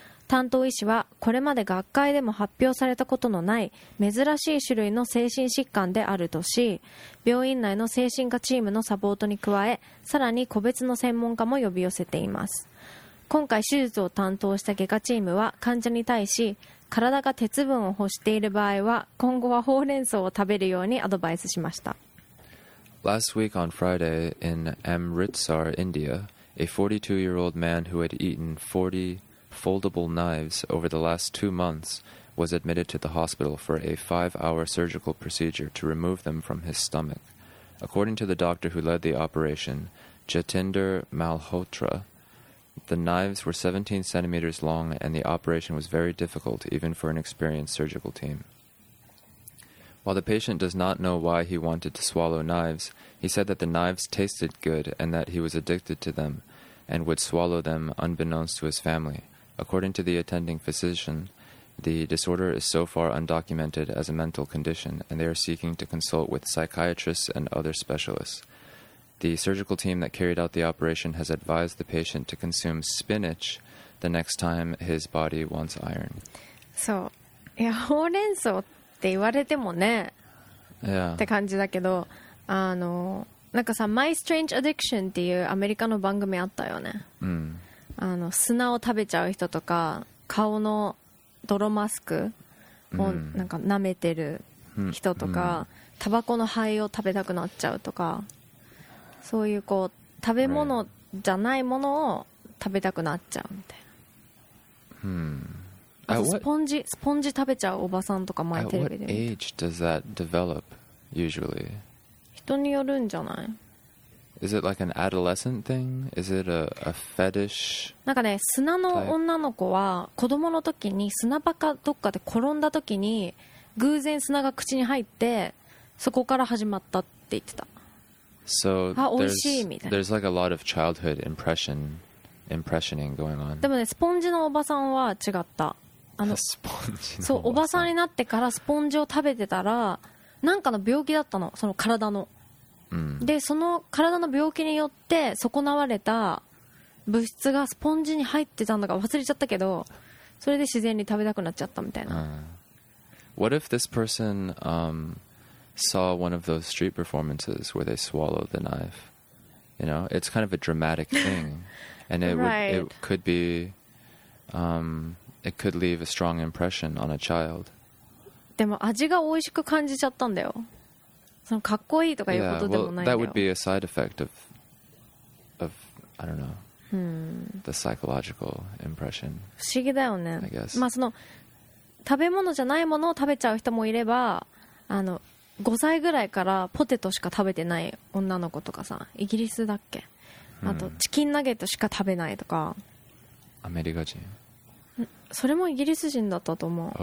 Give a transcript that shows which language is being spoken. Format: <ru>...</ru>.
<ja>担当医師は、これまで学会でも発表されたことのない珍しい種類の精神疾患であるとし、病院内の精神科チームのサポートに加え、さらに個別の専門家も呼び寄せています。今回手術を担当した外科チームは患者に対し、体が鉄分を欲している場合は今後はほうれん草を食べるようにアドバイスしました。</ja> <en>Last week on Friday in Amritsar, India, a 42-year-old man who had eaten 40 foldable knives over the last 2 months was admitted to the hospital for a 5-hour surgical procedure to remove them from his stomach. According to the doctor who led the operation, Jatinder Malhotra,The knives were 17 centimeters long, and the operation was very difficult, even for an experienced surgical team. While the patient does not know why he wanted to swallow knives, he said that the knives tasted good and that he was addicted to them and would swallow them unbeknownst to his family. According to the attending physician, the disorder is so far undocumented as a mental condition, and they are seeking to consult with psychiatrists and other specialists. The surgical team that carried out the operation has advised the patient to consume spinach the next time his body wants iron.</en> <ja>そう、いや、ほうれん草って言われてもね、</ja> <en>yeah.</en> <ja>って感じだけど、あの、なんかさ、My Strange Addiction っていうアメリカの番組あったよね。うん。あの、砂を食べちゃう人とか、顔の泥マスクをなんか舐めてる人とか、タバコの灰を食べたくなっちゃうとか、そういうこう食べ物じゃないものを食べたくなっちゃうみたいな。</ja> <en>Right.</en> <ja>あとスポンジ食べちゃうおばさんとか前テレビで。</ja> <en>At what age does that develop usually?</en> <ja>人によるんじゃない。</ja> <en>Is it like an adolescent thing? Is it a fetish?</en> <ja>なんかね、砂の女の子は子供の時に砂場かどっかで転んだ時に偶然砂が口に入ってそこから始まったって言ってた。</ja> <en>So there's like a lot of childhood impressioning going on.</en> <ja>でもね、スポンジのおばさんは違った。あの、スポンジのそう、おばさんになってからスポンジを食べてたら、なんかの病気だったの、その体の。で、その体の病気によって損なわれた物質がスポンジに入ってたのか忘れちゃったけど、それで自然に食べたくなっちゃったみたいな。</ja> <en>What if this person, saw one of those street performances where they swallow the knife. You know, it's kind of a dramatic thing. And it, right. would, it could be, it could leave a strong impression on a child.</en> <ja>でも味が美味しく感じちゃったんだよ。そのかっこいいとかいうことでもないんだよ。</ja> <en>Yeah, well, that would be a side effect of I don't know, the psychological impression.</en> <ja>不思議だよね。</ja> <en>I guess.</en> <ja>まあその、食べ物じゃないものを食べちゃう人もいれば、あの、5歳ぐらいからポテトしか食べてない女の子とかさ、イギリスだっけ、あとチキンナゲットしか食べないとか、アメリカ人、それもイギリス人だったと思う。</ja>